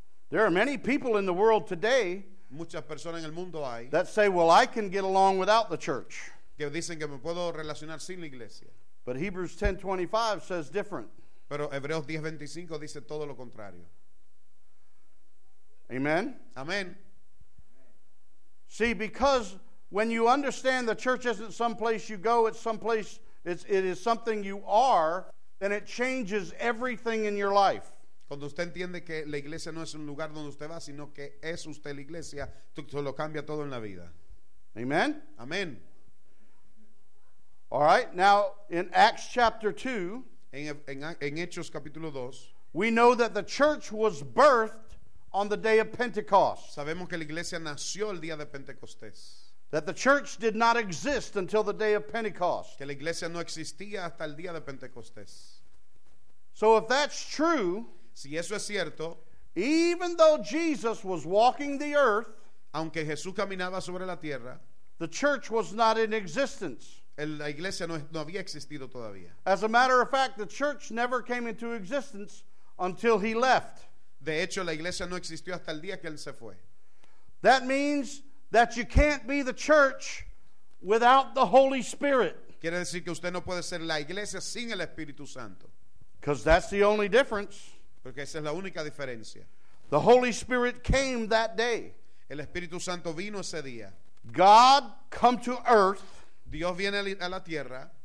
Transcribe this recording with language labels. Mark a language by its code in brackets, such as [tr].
[en] There are many people in the world today, [es] muchas personas en el mundo hay, [en] that say, well, I can get along without the church. [es] Que dicen que me puedo relacionar sin la iglesia. [en] But Hebrews 10:25 says different. [es] Pero Hebreos 10:25 dice todo lo contrario. [en] Amen. [es] Amen. [en] See, because when you understand the church isn't some place you go, it's some place, it is something you are, then it changes everything in your life. [es] Cuando usted entiende que la iglesia no es un lugar donde usted va, sino que es usted la iglesia, todo lo cambia todo en la vida. [en] Amen. [es] Amen. [en] All right. Now, in Acts chapter 2, [es] en Hechos capítulo 2, [en] we know that the church was birthed on the day of Pentecost. [es] Sabemos que la iglesia nació el día de Pentecostés. [en] That the church did not exist until the day of Pentecost. [es] Que la iglesia no existía hasta el día de Pentecostés. [en] So if that's true, [es] si eso es cierto, [en] even though Jesus was walking the earth, [es] aunque Jesús caminaba sobre la tierra, [en] the church was not in existence. [es] La iglesia no había existido todavía. [en] As a matter of fact, the church never came into existence until he left. [es] De hecho, la iglesia no existió hasta el día que él se fue. [en] That means that you can't be the church without the Holy Spirit. [es] Quiere decir que usted no puede ser la iglesia sin el Espíritu Santo. [en] Because that's the only difference. [es] Porque esa es la única diferencia. [en] The Holy Spirit came that day. [es] El Espíritu Santo vino ese día. [en] God come to earth. [es] Dios viene a la tierra.